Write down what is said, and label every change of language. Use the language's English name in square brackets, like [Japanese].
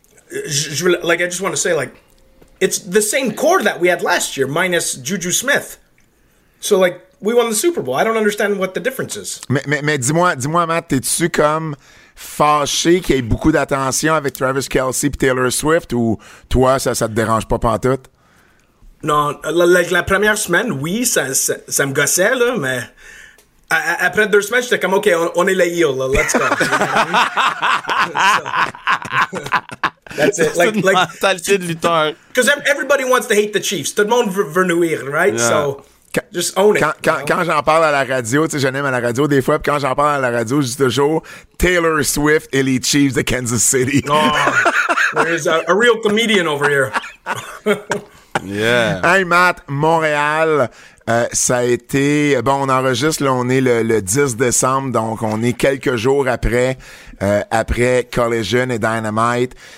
[English] I just want to say, like, it's the same core that we had last year, minus Juju Smith. So, like, we won the Super Bowl. I don't understand what the difference is. [French] Mais dis-moi, Matt, t'es-tu comme fâché qu'il y ait beaucoup d'attention avec Travis Kelce et Taylor Swift, ou toi, ça te dérange pas pantoute? Non, la première semaine, oui, ça me gossait, là, mais après deux semaines, j'étais comme, OK, on est les heels, là, [English] let's go. That's it. [French] C'est une mentalité de lutteur. [English] Because everybody wants to hate the Chiefs. [French] Tout le monde veut nuire, right? [English] Yeah. So, just own it. [French] Quand j'en parle à la radio, tu sais, j'en aime à la radio des fois, puis quand j'en parle à la radio, je dis toujours, Taylor Swift et les Chiefs de Kansas City. [English] Oh, there's a real comedian over here. Yeah. [French] Hey Matt, Montréal, ça a été, bon, on enregistre, là, on est le 10 décembre, donc on est quelques jours après Collision et Dynamite.